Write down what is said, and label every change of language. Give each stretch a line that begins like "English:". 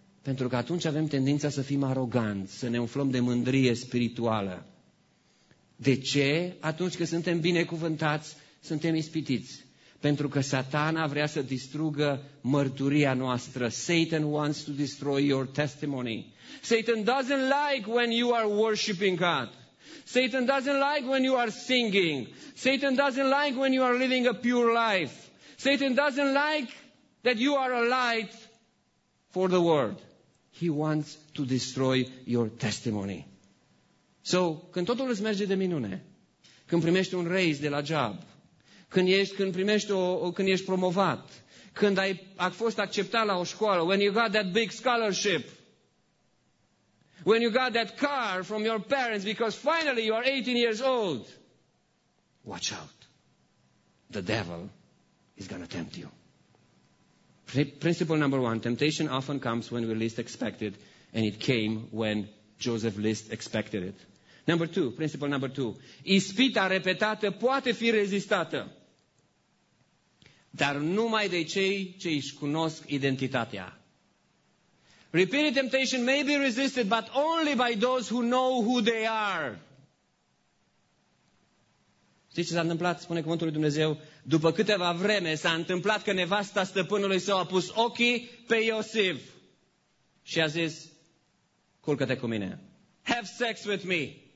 Romanian: Pentru că atunci avem tendința să fim aroganți, să ne umflăm de mândrie spirituală. De ce atunci când suntem binecuvântați, suntem ispitiți? Pentru că Satana vrea să distrugă mărturia noastră.
English: Satan wants to destroy your testimony. Satan doesn't like when you are worshiping God. Satan doesn't like when you are singing. Satan doesn't like when you are living a pure life. Satan doesn't like that you are a light for the world. He wants to destroy your testimony. So,
Romanian: când totul îți merge de minune, când primești un raise de la job, când ești promovat, când ai fost acceptat la o școală,
English: when you got that big scholarship, when you got that car from your parents because finally you are 18 years old, watch out. The devil is going to tempt you. Principle number one, temptation often comes when we least expect it, and it came when Joseph least expected it. Number two, principle number two,
Romanian: ispita repetată poate fi rezistată, dar numai de cei ce își cunosc identitatea.
English: Repeated temptation may be resisted, but only by those who know who they are.
Romanian: Știți ce s-a întâmplat, spune cuvântul lui Dumnezeu? După câteva vreme s-a întâmplat că nevasta stăpânului său a pus ochii pe Iosif și a zis, culcă-te cu mine.
English: Have sex with me.